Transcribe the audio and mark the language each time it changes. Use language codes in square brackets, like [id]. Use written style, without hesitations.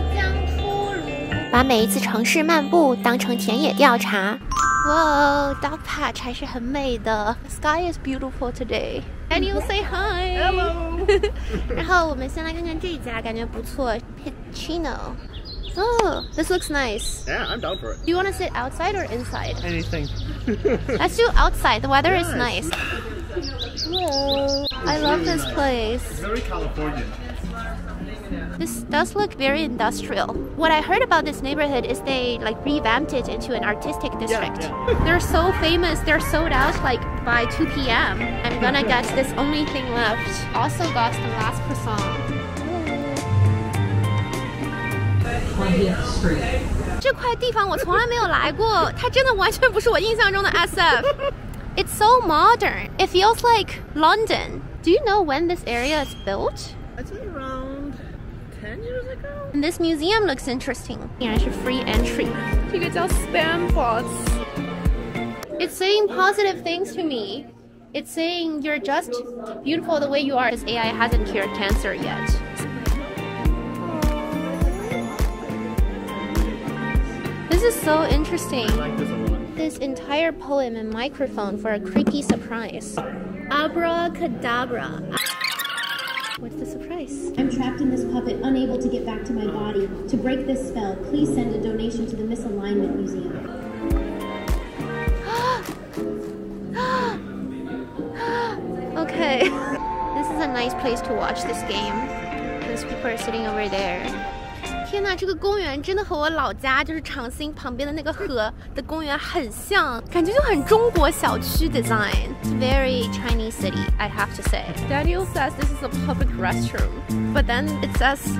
[zh] 即将出炉。把每一次城市漫步当成田野调查。哇 ，dog patch 还是很美的。 [en] Sky is beautiful today. And you say hi. Hello. [zh] 然后我们先来看看这家，感觉不错。 [en] Piccino. Oh, this looks nice. Yeah, I'm down for it. Do you want to sit outside or inside? Anything. Let's do outside. The weather is nice. Hello. I love this place. It's very Californian. This does look very industrial. What I heard about this neighborhood is they like revamped it into an artistic district. Yeah, yeah. They're so famous, they're sold out like by 2 p.m. I'm gonna guess this only thing left. Also got the last croissant. [zh] 这块地方我从来没有来过，它真的完全不是我印象中的 SF. [en] It's so modern. It feels like London. Do you know when this area is built? I'd say around... 10 years ago? And this museum looks interesting. Yeah, it's a free entry. This is called spam bots. It's saying positive things to me. It's saying you're just beautiful the way you are. This AI hasn't cured cancer yet. This is so interesting. This entire poem and microphone for a creepy surprise. Abracadabra. What's the surprise? I'm trapped in this puppet, unable to get back to my body. To break this spell, please send a donation to the Misalignment Museum. Okay. This is a nice place to watch this game. Those people are sitting over there. [zh] 天哪，这个公园真的和我老家就是长兴旁边的那个河的公园很像，感觉就很中国小区 design. [en] It's very Chinese city, I have to say. Daniel says this is a public restroom, but then it says